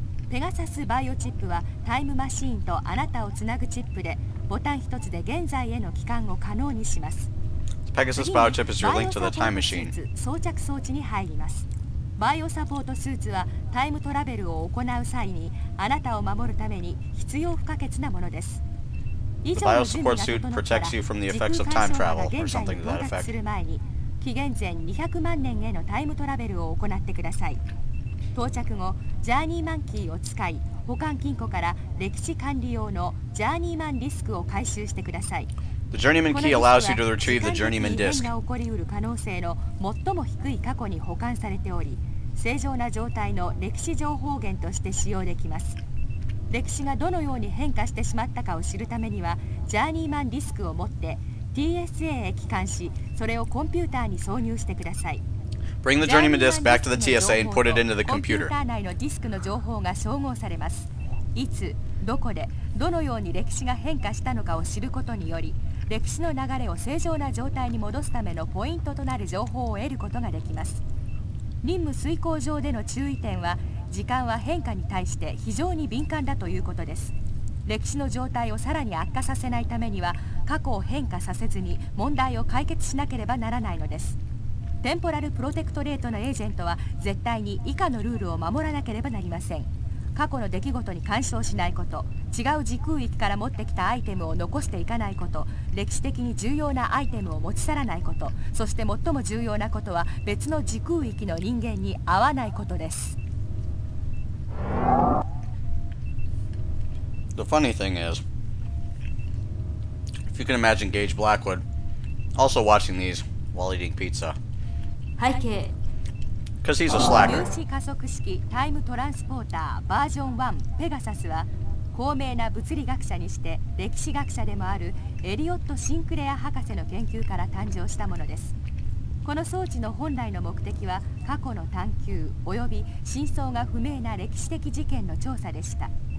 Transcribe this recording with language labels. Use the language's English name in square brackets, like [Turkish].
[Japanese] ペガサスバイオチップはタイムマシーンとあなたをつなぐチップで、ボタン一つで現在への帰還を可能にします。 [English] Pegasus バイオチップ is your link to the time machine。 [Japanese] 装着装置に入ります。バイオサポートスーツはタイムトラベルを行う際にあなたを守るために必要不可欠なものです。 [English] The bio support suit protects you from the effects of time travel or something to that effect. [Japanese] 紀元前200万年へのタイムトラベルを行ってください。到着後、ジャーニーマンキーを使い、保管金庫から歴史管理用のジャーニーマンディスクを回収してください。 [English] The Journeyman key allows you to retrieve the Journeyman disk. [Japanese] この機器は時間に異変が起こりうる可能性の最も低い過去に保管されており、正常な状態の歴史情報源として使用できます。歴史がどのように変化してしまったかを知るためには、ジャーニーマンディスクを持って TSA へ帰還し、それをコンピューターに挿入してください。 [English] Bring the Journeyman disk back to the TSA and put it into the computer. [Japanese] コンピューター内のディスクの情報が照合されます。いつ、どこで、どのように歴史が変化したのかを知ることにより、歴史の流れを正常な状態に戻すためのポイントとなる情報を得ることができます。任務遂行上での注意点は、時間は変化に対して非常に敏感だということです。歴史の状態をさらに悪化させないためには、過去を変化させずに問題を解決しなければならないのです。テンポラルプロテクトレートのエージェントは絶対に以下のルールを守らなければなりません。過去の出来事に干渉しないこと、違う時空域から持ってきたアイテムを残していかないこと、歴史的に重要なアイテムを持ち去らないこと、そして最も重要なことは別の時空域の人間に会わないことです。 [English] The funny thing is, if you can imagine Gage Blackwood also watching these while eating pizza. Hi, Kate. Because he's a slacker. [Japanese] 分子加速式タイムトランスポーターバージョン1ペガサスは、高名な物理学者にして歴史学者でもあるエリオット・シンクレア博士の研究から誕生したものです。この装置の本来の目的は過去の探求及び真相が不明な歴史的事件の調査でした。